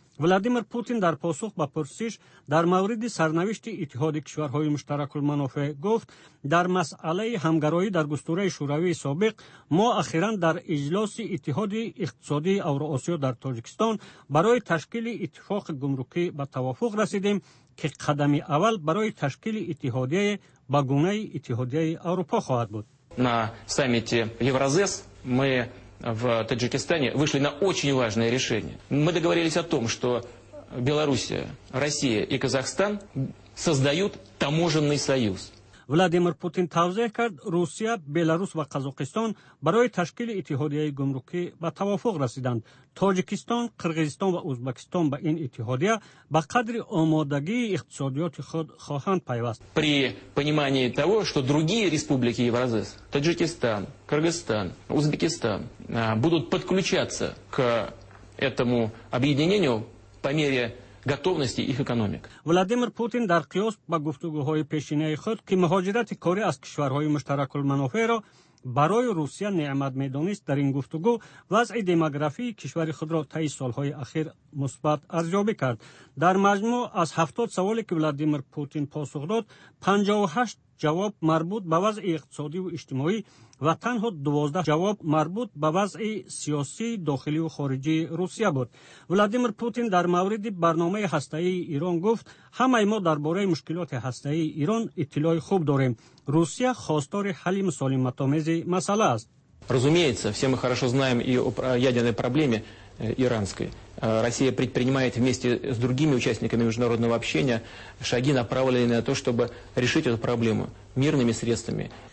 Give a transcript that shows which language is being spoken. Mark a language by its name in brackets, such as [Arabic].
[Persian] ولادیمیر پوتین در پاسخ به پرسش در مورد سرنوشت اتحاد کشورهای مشترک المنافع گفت در مسئله همگرایی در گستوره شوروی سابق ما اخیراً در اجلاس اتحاد اقتصادی اوراسیا در تاجیکستان برای تشکیل اتفاق گمرکی به توافق رسیدیم که قدمی اول برای تشکیل اتحادیه به گونه اتحادیه اروپا خواهد بود. [Russian] На саммите Евразес мы в Таджикистане вышли на очень важное решение. Мы договорились о том, что Белоруссия, Россия и Казахстан создают таможенный союз. [Tajik] Владимир Путин тавзех кард, Русия, Беларусь ва Казахстан барои ташкили иттиҳодияи гумрукӣ ба тавафуқ расиданд. Тоҷикистон, Қирғизистон ва Узбекистон ба ин иттиҳодия ба қадри омодагии иқтисодиёти худ хоҳанд пайваст. [Russian] При понимании того, что другие республики Евразии, Таджикистан, Кыргызстан, Узбекистан будут подключаться к этому объединению по мере готовности их экономик. [Tajik] Владимир Путин дар қиёс ба гуфтугӯҳои пешинаи худ, ки муҳоҷирати корӣ аз кишварҳои муштараку манофеъро барои Русия неъмат медонист, дар ин гуфтугӯ вазъи демографии кишвари худро таи солҳои ахир мусбат арзёбӣ кард. Дар маҷмӯъ аз 70 саволе, ки Владимир Путин посух дод, 58 ҷавоб марбут ба вазъи иқтисодӣ ва иҷтимоӣ ва танҳо 12 ҷавоб марбут ба вазъи сиёсии дохиливу хориҷии Русия буд. Владимир Путин дар мавриди барномаи ҳастаии Ирон гуфт, ҳамаи мо дар бораи мушкилоти ҳастаии Ирон иттилои хуб дорем. Русия хостори ҳалли мусолиматомези масъала аст. [Russian] Разумеется, все мы хорошо знаем и о ядерной проблеме иранской. Россия предпринимает вместе с другими участниками международного общения шаги, направленные на то, чтобы решить эту проблему мирными средствами.